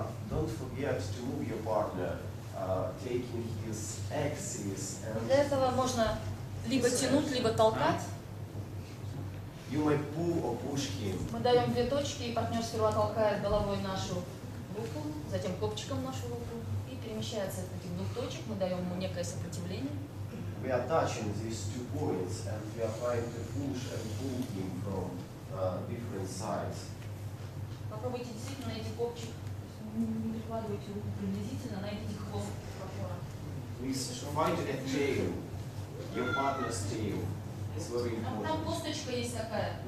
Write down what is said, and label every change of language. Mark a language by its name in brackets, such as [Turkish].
[English] Don't forget to move your partner, taking his axis. [Russian] Для этого можно либо тянуть, либо толкать. [English] You may pull or push him. [Russian] Мы даем две точки, и партнер сперва толкает головой нашу руку, затем копчиком нашу руку, и перемещается от этих двух точек. Мы даем ему некое сопротивление. [English] We are touching these two points, and we are trying to push and pull him from different sides. [Russian] Попробуйте действительно найти копчик. Не прикладывайте руку приблизительно, найдите хвост партнера. [English] Please try to get tail. Your partner's tail. It's very important. [Russian] Там косточка есть такая.